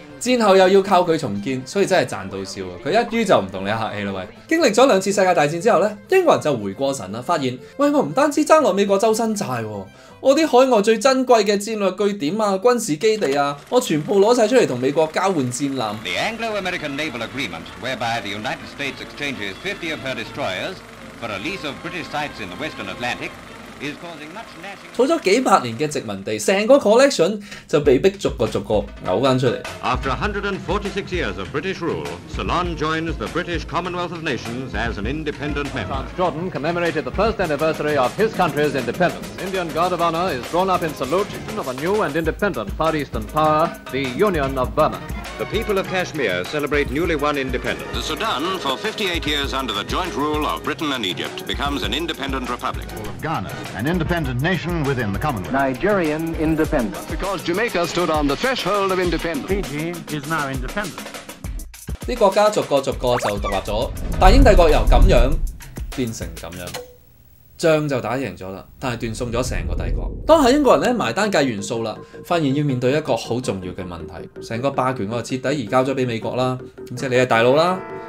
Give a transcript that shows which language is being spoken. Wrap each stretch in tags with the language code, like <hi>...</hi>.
<yue>战后又要靠佢重建，所以真系赚到笑啊！佢一于就唔同你客气啦喂。经历咗两次世界大战之后咧，英国人就回过神啦，发现喂，我唔单止争落美国周身债、啊。我啲海外最珍贵嘅战略据点啊、军事基地啊，我全部攞晒出嚟同美国交换战舰。</yue> <en>The Anglo-American Naval Agreement, whereby the United States exchanges 50 of her destroyers for a lease of British sites in the Western Atlantic, is causing much national.</en> <yue>储咗几百年嘅殖民地，成个 collection 就被逼逐个呕翻出嚟。</yue> <en>After 146 years of British rule, Ceylon joins the British Commonwealth of Nations as an independent member. Prince Jordan commemorated the first anniversary of his country's independence. Indian Guard of Honor is drawn up in salute of a new and independent Far Eastern power, the Union of Burma. The people of Kashmir celebrate newly won independence. The Sudan, for 58 years under the joint rule of Britain and Egypt, becomes an independent republic. Ghana, an independent nation within the Commonwealth. Nigerian independence. Because Jamaica stood on the threshold of independence. Fiji is now independent.</en> <yue>啲国家逐个就独立咗，大英帝国由咁样变成咁样。仗就打赢咗啦，但系断送咗成个帝国。当下英国人咧埋单计完数啦，发现要面对一个好重要嘅问题，成个霸权我彻底移交咗俾美国啦，咁即系你系大佬啦。</yue>